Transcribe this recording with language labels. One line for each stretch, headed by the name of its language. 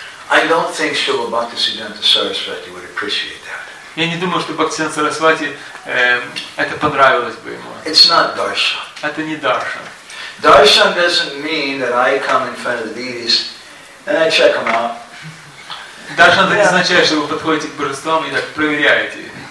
English: I don't think Srila Bhaktisiddhanta Saraswati would appreciate that.
Russian: Я не думаю, что Бхактисиддханта Сарасвати это понравилось бы ему.
English: It's not darshan.
Russian: Это не даршан.
English: Darshan doesn't mean that I come in front of the deities and I check them out.
Russian: Даршан это не означает, что вы подходите к божествам и так проверяете.